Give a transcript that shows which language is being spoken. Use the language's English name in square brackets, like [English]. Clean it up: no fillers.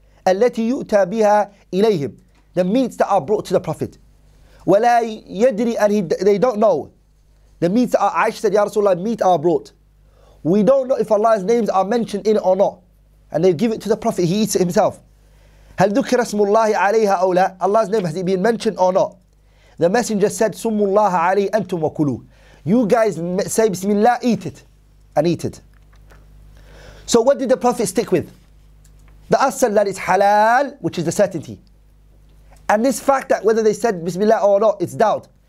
[Arabic] التي يؤتى بها إليهم. [English] The meats that are brought to the Prophet. [Arabic] ولا يدري, [English] and they don't know. The meats that are, Aisha said, Ya Rasulullah, meat are brought. We don't know if Allah's names are mentioned in it or not. And they give it to the Prophet, he eats it himself. [Arabic] هل ذكر اسم الله عليها أو لا? [English] Allah's name, has it been mentioned or not? The messenger said, [Arabic] سموا الله عليه أنتم وكلوا. [English] You guys say بسم الله, eat it. And eat it. So what did the Prophet stick with? The asal that is halal, which is the certainty. And this fact that whether they said bismillah or not, it's doubt.